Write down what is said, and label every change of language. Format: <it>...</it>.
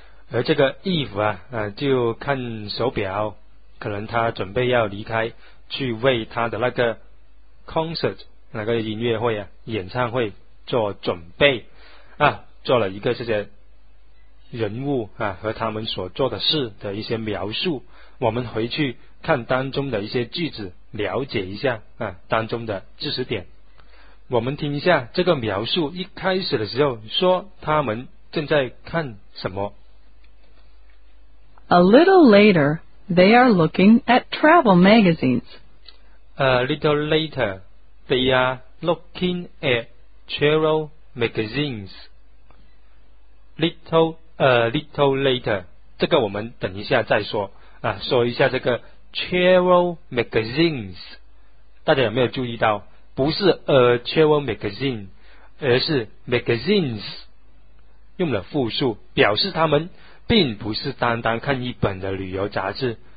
<zh>而这个 Eve 就看手表，可能他准备要离开去为他的那个 concert 那个音乐会啊演唱会做准备啊，做了一个这些人物啊和他们所做的事的一些描述。我们回去看当中的一些句子，了解一下啊当中的知识点。我们听一下这个描述，一开始的时候说他们正在看什么。</zh> <en>A little later, they are looking at travel magazines. A little later, they are looking at travel magazines. Little later,</en> <zh>这个我们等一下再说啊，说一下这个 travel magazines, 大家有没有注意到不是</zh> <en>a travel magazine,</en> <zh>而是 magazines, 用了复数，表示他们并不是单单看一本的旅游杂志。</zh>